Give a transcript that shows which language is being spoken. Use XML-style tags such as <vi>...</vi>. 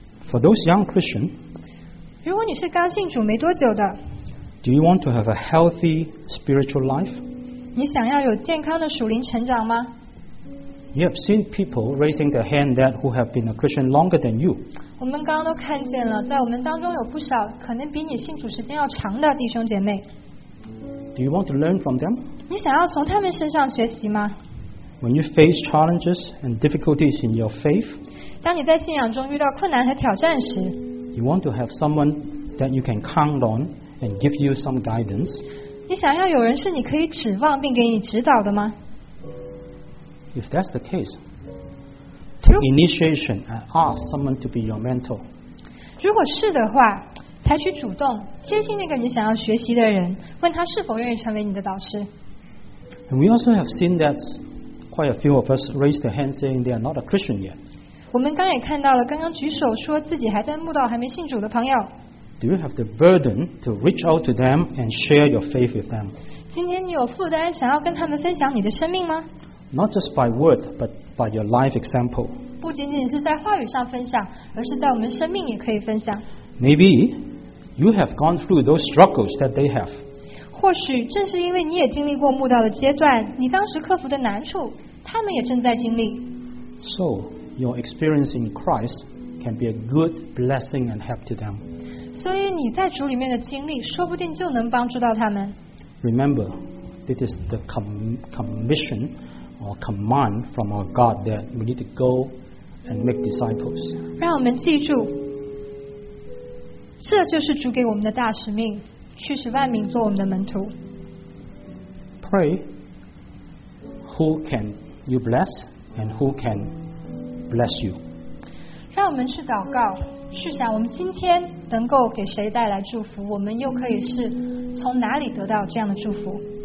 <en>For those young Christians,</en> <zh>如果你是刚信主没多久的，</zh> <en>Do you want to have a healthy spiritual life?</en> <zh>你想要有健康的属灵成长吗？</zh> <en>You have seen people raising their hand that who have been a Christian longer than you.</en> <zh>我们刚刚都看见了，在我们当中有不少可能比你信主时间要长的弟兄姐妹。</zh> <en>Do you want to learn from them?</en> <zh>你想要从他们身上学习吗？</zh> <en>When you face challenges and difficulties in your faith,</en> <zh>当你在信仰中遇到困难和挑战时，</zh> <en>You want to have someone that you can count on and give you some guidance.</en> <zh>你想要有人是你可以指望并给你指导的吗？</zh> <en>If that's the case,Take initiation and ask someone to be your mentor.</en> <zh>如果是的话，采取主动，接近那个你想要学习的人，问他是否愿意成为你的导师。</zh> <en>And we also have seen that quite a few of us raised their hands saying they are not a Christian yet.</en> <zh>我们刚也看到了刚刚举手说自己还在慕道还没信主的朋友。</zh> <en>Do you have the burden to reach out to them and share your faith with them?</en> <zh>今天你有负担想要跟他们分享你的生命吗？</zh> <en>Not just by word, but by your life example.</en> <zh>不仅仅是在话语上分享，而是在我们生命也可以分享。</zh> <en>Maybe you have gone through those struggles that they have.</en> <zh>或许正是因为你也经历过慕道的阶段，你当时克服的难处，他们也正在经历。</zh> <en>So your experience in Christ can be a good blessing and help to them.</en> <zh>所以你在主里面的经历，说不定就能帮助到他们。</zh> <en>Remember, it is the commission. Or command from our God that we need to go and make disciples.</en> <zh>让我们记住，这就是主给我们的大使命，去使万民做我们的门徒。</zh> <en>Pray. Who can you bless, and who can bless you?</en> <zh>让我们去祷告，试想我们今天能够给谁带来祝福，我们又可以是从哪里得到这样的祝福。</zh>